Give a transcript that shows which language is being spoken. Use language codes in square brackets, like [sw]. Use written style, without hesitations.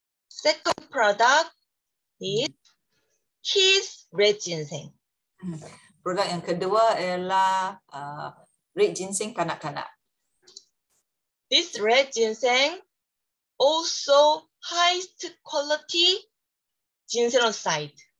[en] Second product is his red ginseng. [ms] Produk yang kedua ialah red ginseng kanak-kanak. [en] This red ginseng also highest quality ginseng oxide.